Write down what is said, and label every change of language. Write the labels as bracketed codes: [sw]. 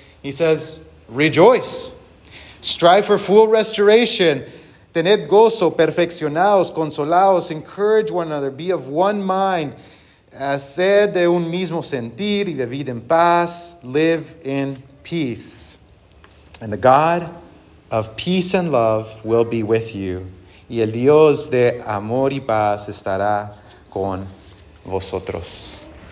[en] He says, rejoice. Strive for full restoration. [es] Tened gozo, perfeccionaos, consolaos, [en] encourage one another, be of one mind. [es] Sed de un mismo sentir y vivid en paz, [en] live in peace. And the God of peace and love will be with you. [es] Y el Dios de amor y paz estará con vosotros.